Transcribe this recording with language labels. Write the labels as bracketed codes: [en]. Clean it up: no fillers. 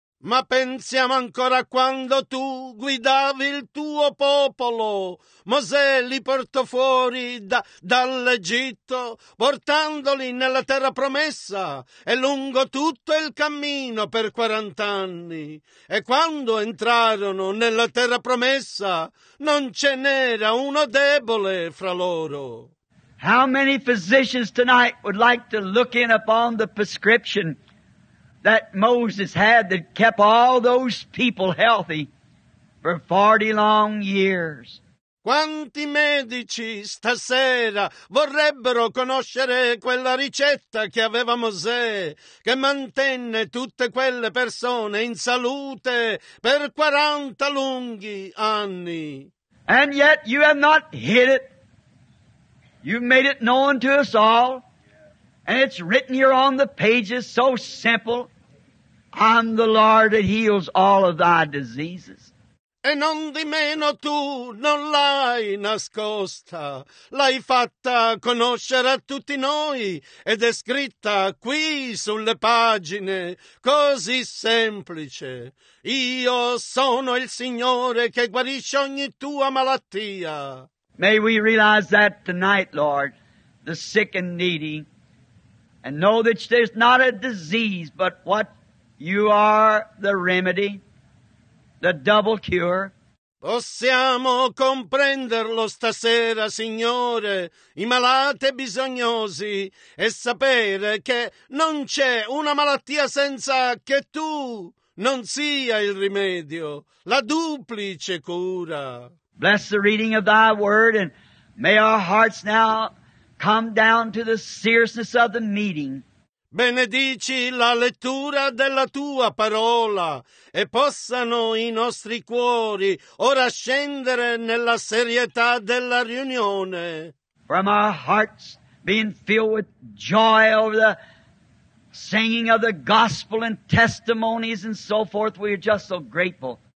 [it] Ma pensiamo ancora quando tu guidavi il tuo popolo. Mosè li portò fuori dall'Egitto, portandoli nella terra promessa e lungo tutto il cammino per 40 anni. E quando entrarono nella terra promessa, non ce n'era uno debole fra loro. [en] How many physicians tonight would like to look in upon the prescription that Moses had that kept all those people healthy for 40 long years? [it] Quanti medici stasera vorrebbero conoscere quella ricetta che aveva Mosè, che mantenne tutte quelle persone in salute per 40 lunghi anni. [en] And yet you have not hid it. You've made it known to us all. And it's written here on the pages so simple. I'm the Lord that heals all of thy diseases. [it] E non di meno tu non l'hai nascosta, l'hai fatta conoscere a tutti noi ed è scritta qui sulle pagine, così semplice. Io sono il Signore che guarisce ogni tua malattia. [en] May we realize that tonight, Lord, the sick and needy, and know that there's not a disease, but what you are the remedy. The double cure. [it] Possiamo comprenderlo stasera, Signore, i malati e bisognosi, e sapere che non c'è una malattia senza che tu non sia il rimedio, la duplice cura. [en] Bless the reading of thy word, and may our hearts now come down to the seriousness of the meeting. [it] Benedici la lettura della tua parola e possano i nostri cuori ora scendere nella serietà della riunione. [en] From our hearts being filled with joy over the singing of the gospel and testimonies and so forth, we are just so grateful.